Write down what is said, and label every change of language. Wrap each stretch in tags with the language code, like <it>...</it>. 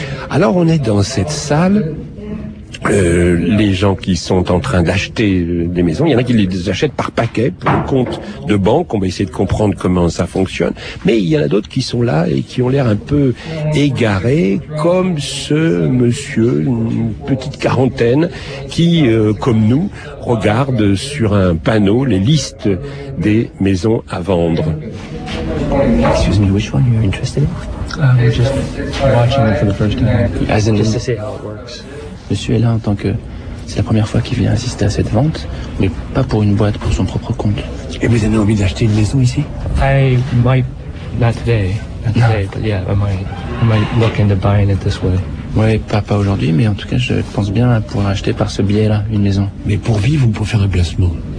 <fr>Alors on est dans cette salle, les gens qui sont en train d'acheter des maisons, il y en a qui les achètent par paquet pour le compte de banque, on va essayer de comprendre comment ça fonctionne, mais il y en a d'autres qui sont là et qui ont l'air un peu égarés, comme ce monsieur, une petite quarantaine, qui, comme nous, regarde sur un panneau les listes des maisons à vendre.</fr> <en>Excuse me, which one you're interested in? Just watching it for the first time. As in, just to see how it works.</en> <fr>Monsieur est là en tant que... C'est la première fois qu'il vient assister à cette vente, mais pas pour une boîte, pour son propre compte. Et vous avez envie d'acheter une maison ici?</fr> <en>I might... Not today. But yeah, I might look into buying it this way.</en> <fr>Oui, pas aujourd'hui, mais en tout cas, je pense bien à pouvoir acheter par ce biais-là une maison. Mais pour vivre ou pour faire un placement?</fr>